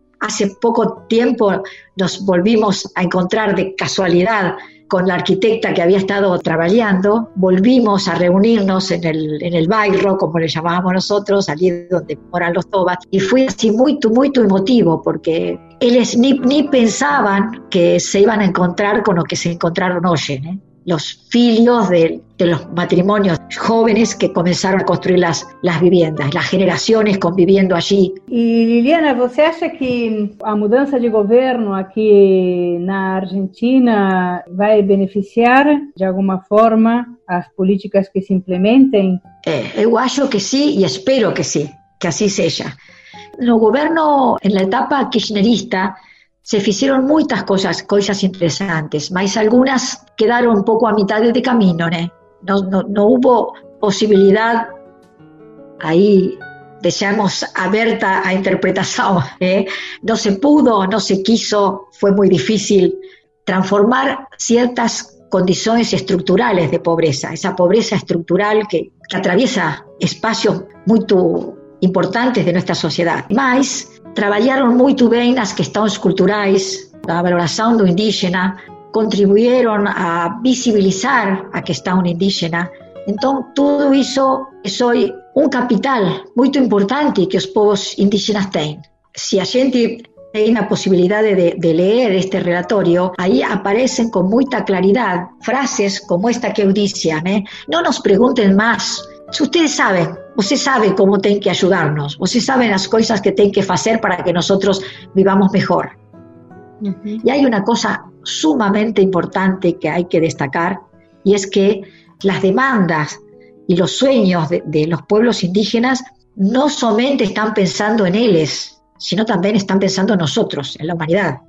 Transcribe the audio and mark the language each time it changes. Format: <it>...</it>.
<es>Hace poco tiempo nos volvimos a encontrar de casualidad con la arquitecta que había estado trabajando, volvimos a reunirnos en el bairro, como le llamábamos nosotros, allí donde moran los tobas, y fue así muy, muy emotivo, porque ellos ni pensaban que se iban a encontrar con lo que se encontraron hoy. los filios de los matrimonios jóvenes que comenzaron a construir las viviendas, las generaciones conviviendo allí.</es> <pt>Y Liliana, ¿você acha que a mudança de governo aqui na Argentina vai beneficiar de alguma forma as políticas que se implementem? Eu acho que sim e espero que sim, que assim seja. No governo, na etapa kirchnerista,</pt> <es>se hicieron muchas cosas interesantes, mas algunas quedaron un poco a mitad de camino, ¿no? No hubo posibilidad ahí, dejamos abierta a interpretación, ¿eh? No se pudo, no se quiso, fue muy difícil transformar ciertas condiciones estructurales de pobreza, esa pobreza estructural que atraviesa espacios muy importantes de nuestra sociedad.</es> <pt>Mas, trabalharam muito bem nas questões culturais, da valoração do indígena, contribuíram a visibilizar a questão indígena. Então, tudo isso é um capital muito importante que os povos indígenas têm. Se a gente tem a possibilidade de ler este relatório, aí aparecem com muita claridade frases como esta que eu disse, né? Não nos perguntem mais.</pt> <es>Si ustedes saben, usted sabe cómo tienen que ayudarnos, usted sabe las cosas que tienen que hacer para que nosotros vivamos mejor. Uh-huh. Y hay una cosa sumamente importante que hay que destacar, y es que las demandas y los sueños de los pueblos indígenas no solamente están pensando en ellos, sino también están pensando en nosotros, en la humanidad.</es>